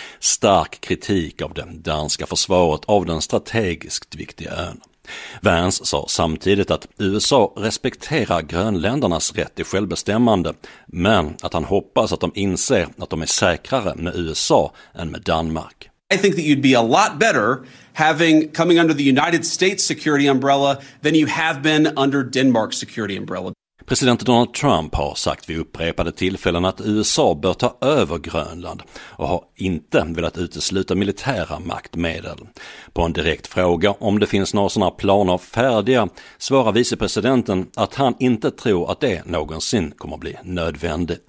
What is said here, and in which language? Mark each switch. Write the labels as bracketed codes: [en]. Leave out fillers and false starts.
[sv] Stark kritik av det danska försvaret av den strategiskt viktiga ön. Vance sa samtidigt att USA respekterar grönländarnas rätt till självbestämmande, men att han hoppas att de inser att de är säkrare med USA än med Danmark. [en] I think that you'd be a lot better coming under the United States security umbrella than you have been under Denmark's security umbrella. [sv] President Donald Trump har sagt vid upprepade tillfällen att USA bör ta över Grönland och har inte velat utesluta militära maktmedel. På en direkt fråga om det finns några sådana planer färdiga svarar vicepresidenten att han inte tror att det någonsin kommer att bli nödvändigt.